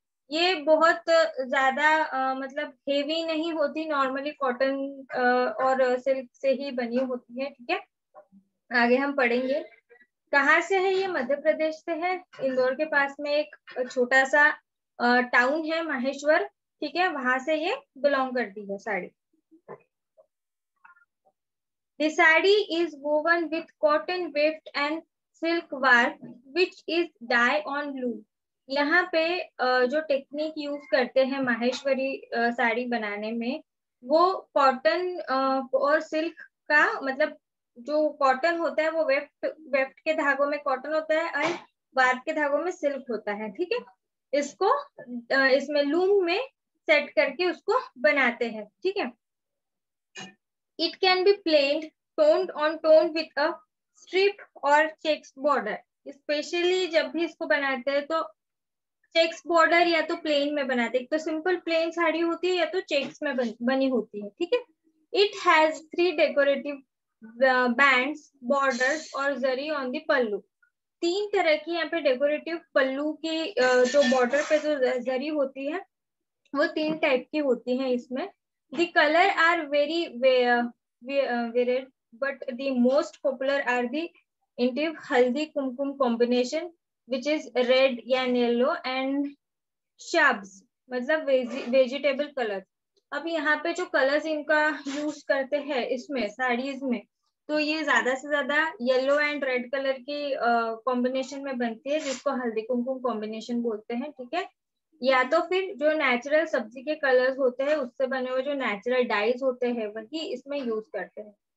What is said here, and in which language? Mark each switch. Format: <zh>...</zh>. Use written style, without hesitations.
<hi>ये बहुत ज्यादा मतलब हेवी नहीं होती, नॉर्मली कॉटन और सिल्क से ही बनी होती है। ठीक है, आगे हम पढ़ेंगे। कहाँ से है ये? मध्य प्रदेश से है, इंदौर के पास में एक छोटा सा टाउन है माहेश्वर, ठीक है, वहां से ये बिलोंग करती है sari.</hi> <en>The saree is woven with cotton weft and silk warp, which is dye on loom.</en> <hi>यहाँ पे जो टेक्निक यूज करते हैं माहेश्वरी साड़ी बनाने में, वो कॉटन और सिल्क का, मतलब जो कॉटन होता है वो वेफ्ट, वेफ्ट के धागों में कॉटन होता है और वार्प के धागों में सिल्क होता है। ठीक है, इसको इसमें लूम में सेट करके उसको बनाते हैं। ठीक है,</hi> <en>It can be plain toned on tone with a strip और checks border.</en> <hi>स्पेशली जब भी इसको बनाते हैं तो चेक्स बॉर्डर या तो प्लेन में बनाते हैं, तो सिंपल प्लेन साड़ी होती है या तो चेक्स में बनी होती है। ठीक है,</hi> <en>It has three decorative band border और zari on the pallu.</en> <hi>तीन तरह की यहाँ पे डेकोरेटिव पल्लू की जो बॉर्डर पे जो जरी होती है वो तीन टाइप की होती है इसमें।</hi> <en>The color are very varied, but the most popular are the intense haldi kumkum combination, which is red and yellow and shrubs,</en> <hi>मतलब</hi> <en>vegetable color.</en> <hi>अब यहाँ पे जो colors इनका use करते हैं इसमें साड़ीज में, तो ये ज्यादा से ज्यादा येलो एंड रेड कलर की कॉम्बिनेशन में बनती है, जिसको हल्दी कुमकुम कॉम्बिनेशन बोलते हैं। ठीक है, या तो फिर जो नेचुरल सब्जी के कलर्स होते हैं उससे बने हुए जो नेचुरल डाइज होते हैं वही इसमें यूज करते हैं।</hi>